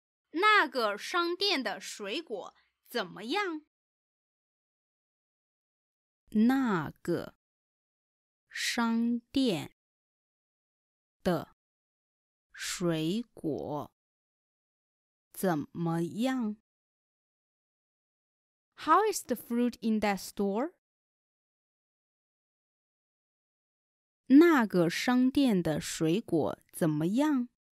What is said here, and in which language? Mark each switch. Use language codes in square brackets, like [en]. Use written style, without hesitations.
[zh] 那个商店的水果怎么样？那个商店的水果怎么样？ [en] How is the fruit in that store? [zh] 那个商店的水果怎么样？